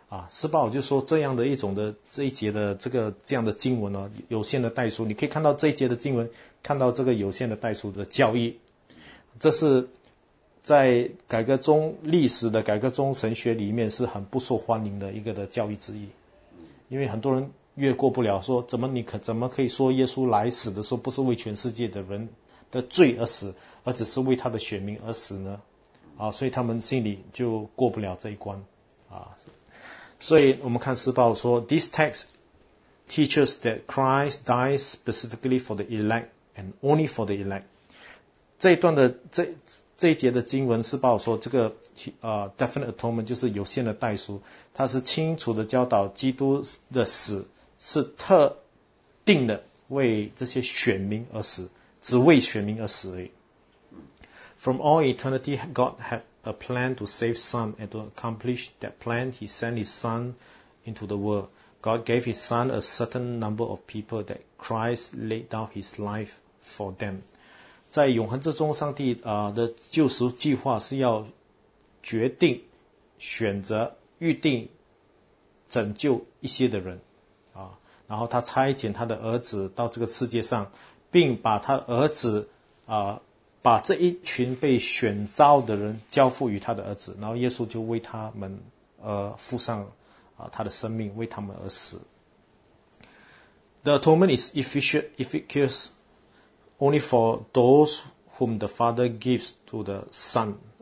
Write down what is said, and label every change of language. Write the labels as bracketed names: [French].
[Chinese] 施鲍就说这样的一种的这一节的这样的经文呢，有限的代赎，你可以看到这一节的经文，看到这个有限的代赎的教义，这是在改革中，历史的改革中神学里面是很不受欢迎的一个的教义之一。因为很多人越过不了，说怎么可以说耶稣来死的时候不是为全世界的人的罪而死，而只是为他的选民而死呢？所以他们心里就过不了这一关。所以我们看施鲍说， [English] This text teaches that Christ died specifically for the elect and only for the elect. [Chinese] 这一段的这一节的经文，施鲍说这个definite atonement 就是有限的代赎，它是清楚的教导基督的死是特定的，为这些选民而死，只为选民而死而已。 [English] From all eternity, God had a plan to save some, and to accomplish that plan, He sent His Son into the world. God gave His Son a certain number of people that Christ laid down His life for them. [Chinese] 在永恒之中，上帝的救赎计划是要决定、选择、预定、拯救一些的人然后他差遣他的儿子到这个世界上，并把他儿子把这一群被选召的人交付于他的儿子，然后耶稣就为他们而付上他的生命，为他们而死。 [English] The atonement is efficacious only for those whom the Father gives to the Son。